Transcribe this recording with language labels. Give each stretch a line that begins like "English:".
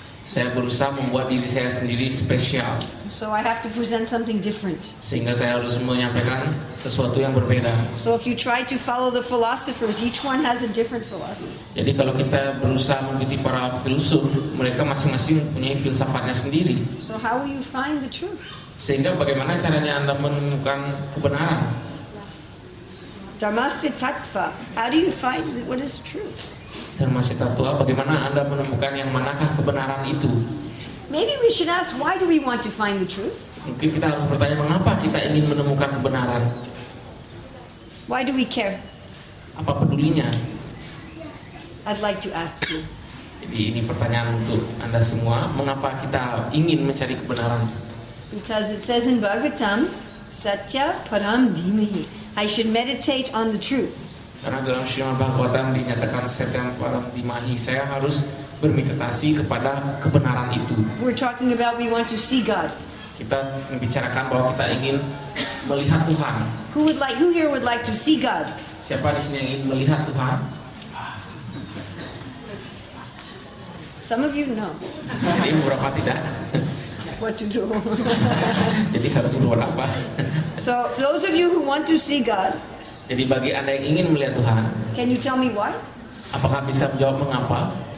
Indonesian: Saya berusaha membuat diri saya sendiri spesial.
English: So I have to present something different.
Indonesian: Sehingga saya harus menyampaikan sesuatu yang berbeda.
English: So if you try to follow the philosophers, each one has a different philosophy.
Indonesian: Jadi kalau kita berusaha mengikuti para filsuf, mereka masing-masing punya filsafatnya sendiri.
English: So how will you find the truth?
Indonesian: Sehingga bagaimana caranya Anda menemukan kebenaran?
Sanskrit: Dharmasya tattva.
English: How do you find what is truth?
Sanskrit: Dharmasya tattva,
Indonesian: bagaimana Anda menemukan yang manakah kebenaran itu?
English: Maybe we should ask, why do we want to find the truth?
Indonesian: Mungkin kita harus bertanya, mengapa kita ingin menemukan kebenaran?
English: Why do we care?
Indonesian: Apa pedulinya?
English: I'd like to ask you.
Indonesian: Jadi ini pertanyaan untuk Anda semua, mengapa kita ingin mencari kebenaran?
English: Because it says in Bhagavatam,
Sanskrit: satya param dhimahi,
English: I should meditate on the truth.
Indonesian: Karena dalam Srimad Bhagavatam dinyatakan
Sanskrit: satya param dhimahi,
Indonesian: saya harus bermeditasi kepada kebenaran itu.
English: We're talking about we want to see God.
Indonesian: Kita membicarakan bahwa kita ingin melihat Tuhan.
English: Who here would like to see God?
Indonesian: Siapa di sini yang ingin melihat Tuhan?
English: Some of you know.
Indonesian: Ini beberapa tidak.
English: What to do?
Indonesian: Jadi harus berbuat apa?
English: So those of you who want to see God.
Indonesian: Jadi bagi Anda yang ingin melihat Tuhan.
English: Can you tell me why?
Indonesian: Apakah bisa menjawab mengapa?